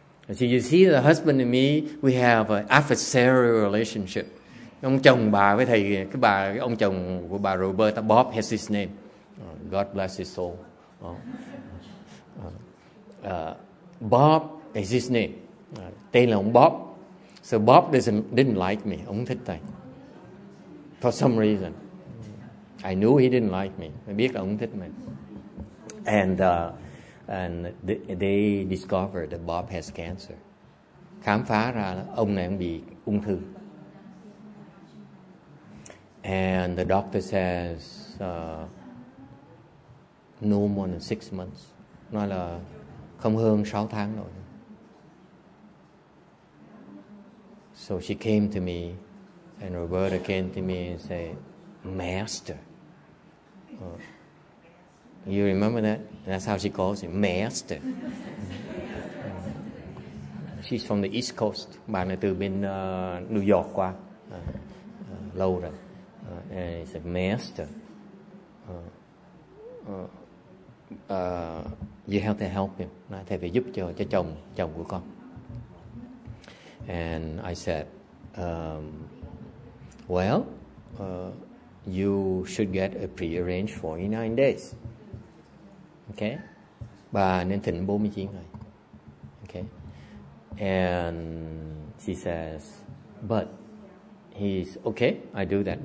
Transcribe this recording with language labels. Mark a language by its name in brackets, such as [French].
[English] So you see, the husband and me, we have an adversarial relationship. [Vietnamese] Ông chồng bà với thầy, cái bà, cái ông chồng của bà Roberta, [English] Bob has his name. God bless his soul. Bob is his name. [Vietnamese] Tên là ông Bob. [English] So Bob didn't like me. [Vietnamese] Ông thích thầy. [English] For some reason. I knew he didn't like me. [Vietnamese] Mình biết là ông thích mình. [English] And they discovered that Bob has cancer. [Vietnamese] Khám phá ra là ông này ông bị ung thư. [English] And the doctor says no more than 6 months. [Vietnamese] Nói là không hơn 6 tháng rồi. [English] So she came to me and Roberta came to me and said, Master. You remember that? That's how she calls him, Master. She's from the East Coast. [Vietnamese] Bà này từ bên New York qua lâu rồi. [English] And he said, Master, you have to help him. [Vietnamese] Thầy phải giúp cho chồng của con. [English] And I said, well, you should get a prearranged 49 days. Okay? [Vietnamese] Bà nên thỉnh 49 ngày. [English] Okay? And she says, but he's okay, I do that.